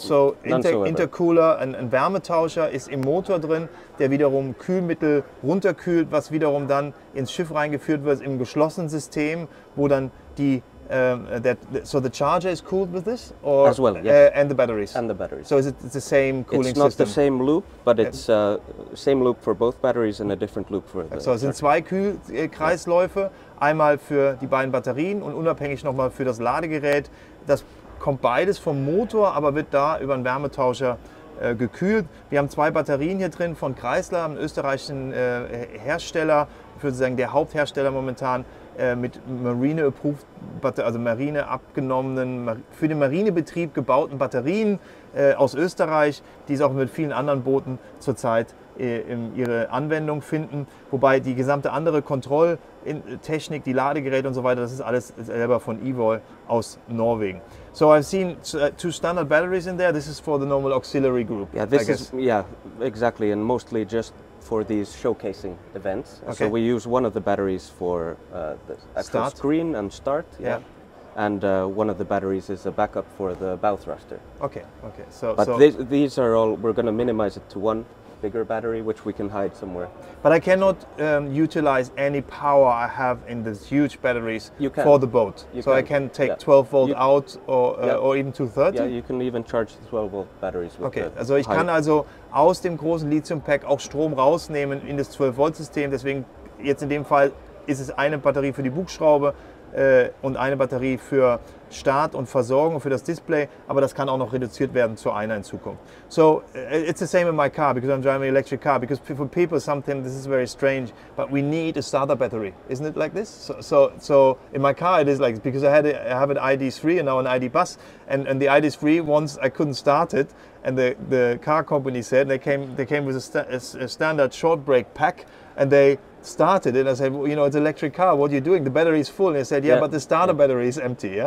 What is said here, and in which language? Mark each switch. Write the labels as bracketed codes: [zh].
[de] So intercooler and ein Wärmetauscher ist im Motor drin, der wiederum Kühlmittel runterkühlt, was wiederum dann ins Schiff reingeführt wird im geschlossenen System, wo dann die [en] so the charger is cooled with this, or as well, and the batteries. And the batteries. So is it the same cooling system? It's not system? The same loop, but it's same loop for both batteries and a different loop for the. [de] So es sind zwei Kühlkreisläufe, einmal für die beiden Batterien und unabhängig nochmal für das Ladegerät. Das kommt beides vom Motor, aber wird da über einen Wärmetauscher gekühlt. Wir haben zwei Batterien hier drin von Chrysler, einem österreichischen Hersteller, ich würde sagen der Haupthersteller momentan. Mit Marine approved, also Marine abgenommenen, für den Marinebetrieb gebauten Batterien aus Österreich, die es auch mit vielen anderen Booten zurzeit in ihre Anwendung finden. Wobei die gesamte andere Kontrolltechnik, die Ladegeräte und so weiter, das ist alles selber von Evoy aus Norwegen. [en] So I've seen two standard batteries in there. This is for the normal auxiliary group. Yeah, this is, yeah, exactly, and mostly just for these showcasing events. Okay. So we use one of the batteries for the actual screen and start. Yeah. And one of the batteries is a backup for the bow thruster. Okay, okay. So, but so these are all, we're going to minimize it to one bigger battery, which we can hide somewhere. But I cannot utilize any power I have in these huge batteries for the boat. You so can. I can take 12 volt out or even 230? Yeah, you can even charge the 12 volt batteries with [de] the also ich kann also aus dem großen Lithium-Pack auch Strom rausnehmen in das 12 Volt System. Deswegen, jetzt in dem Fall, ist es eine Batterie für die Bugschraube und eine Batterie für Start und Versorgung für das Display, aber das kann auch noch reduziert werden zu einer in Zukunft. [en] So, it's the same in my car, because I'm driving an electric car, because for people something, this is very strange, but we need a starter battery, isn't it like this? So in my car it is like, because I have an ID3 and now an ID bus, and the ID3, once I couldn't start it, and the car company said, they came with a standard short brake pack, and they started it. I said, well, you know, it's an electric car, what are you doing? The battery is full. And I said, yeah, but the starter battery is empty.